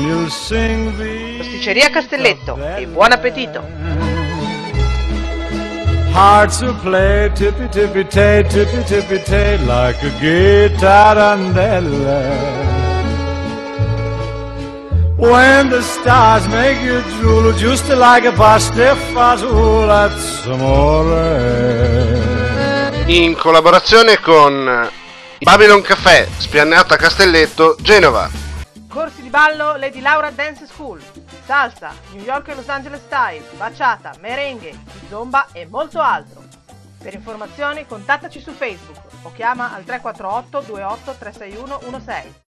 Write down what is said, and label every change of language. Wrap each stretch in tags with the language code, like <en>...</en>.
<it>Rosticceria Castelletto, e buon appetito!</it> <en>Hearts will play tippy-tippy-tay, like a guitar and a when the stars make you drool, just like a pastifazool at some ore.</en> <it>In collaborazione con Babylon Caffè, Spianata Castelletto, Genova. Corsi di ballo Lady Laura Dance School. Salsa, New York e Los Angeles Style, bachata, merengue, zumba e molto altro. Per informazioni contattaci su Facebook o chiama al 348-28-36116.</it>